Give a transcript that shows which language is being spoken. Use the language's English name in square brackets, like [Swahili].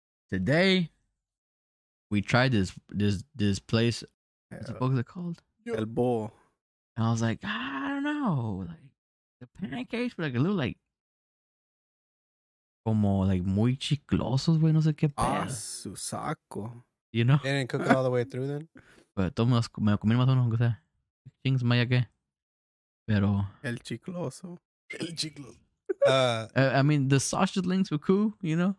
[English] Today, we tried this place. What's it called? [Spanish] El Bol. [English] And I was like, I don't know, like the pancakes were like a little like, [Spanish] como like muy chiclosos, güey. No sé qué pedo. Ah, su saco. [English] You know. They didn't cook it all the way through then. [Spanish] Pero todos me comí más o menos, o sea, chingos más ya que. Pero. El chicloso. El chicloso. [English] I mean, the sausage links were cool, you know?